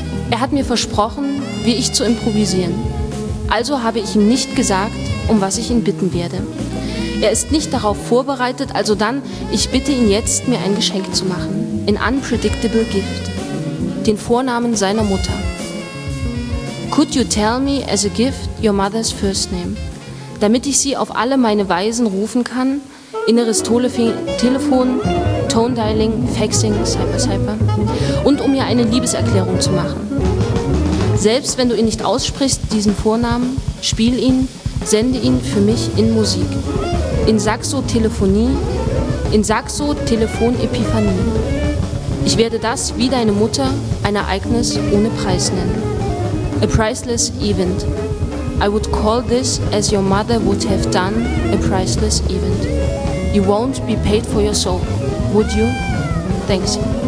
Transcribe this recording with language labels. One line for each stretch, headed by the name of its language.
German: Er hat mir versprochen, wie ich zu improvisieren. Also habe ich ihm nicht gesagt, um was ich ihn bitten werde. Er ist nicht darauf vorbereitet, also dann, ich bitte ihn jetzt, mir ein Geschenk zu machen.
English: An unpredictable gift.
German: Den Vornamen seiner Mutter.
English: Could you tell me as a gift your mother's first name?
German: Damit ich sie auf alle meine Weisen rufen kann, inneres Telefon, Tone Dialing, Faxing, Cyber. Und um ihr eine Liebeserklärung zu machen. Selbst wenn du ihn nicht aussprichst, diesen Vornamen, spiel ihn, sende ihn für mich in Musik. In Saxo Telefonie, in Saxo Telefonepiphanie. Ich werde das, wie deine Mutter, ein Ereignis ohne Preis nennen.
English: A priceless event. I would call this, as your mother would have done, a priceless event. You won't be paid for your soul, would you? Thanks.